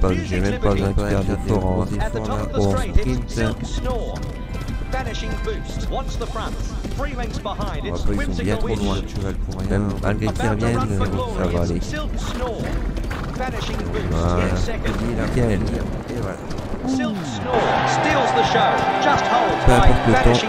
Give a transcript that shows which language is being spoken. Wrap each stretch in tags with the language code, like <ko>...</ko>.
<fr>J'ai même pas besoin de faire de fort en fond là pour en sprint.</fr> <en>Vanishing boost, once the front, 3 lengths behind, it's whimsical wish.</en> <fr>Loin, même malgré qu'ils reviennent, ça va aller.</fr> <en>Silk Snore, vanishing boost,</en> <fr>voilà.</fr> <en>In second,</en> <fr>nickel. Et voilà.</fr> <en>Silk Snore steals the show, just holds by vanishing</en>